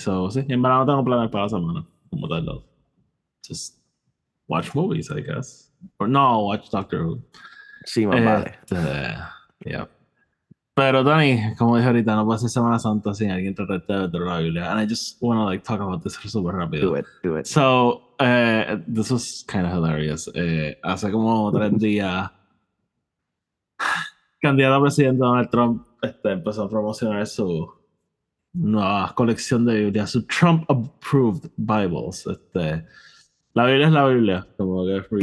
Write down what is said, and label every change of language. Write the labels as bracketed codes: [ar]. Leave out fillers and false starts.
[es] Sí, en verdad no tengo planes para la semana. Como tal, los. [en] Just watch movies, I guess. Or no, watch Doctor Who. [es] Sí, más vale. Pero Tony, como dije ahorita, no puede ser Semana Santa sin alguien tratarte de la Biblia. [en] And I just want to, like, talk about this [es] super rápido. [en] Do it. So, this was kind of hilarious. [es] Hace como 3 días, candidato a presidente Donald Trump empezó a promocionar su nueva colección de Biblia, su [en] Trump-approved Bibles. [es] La Biblia es la Biblia. Como que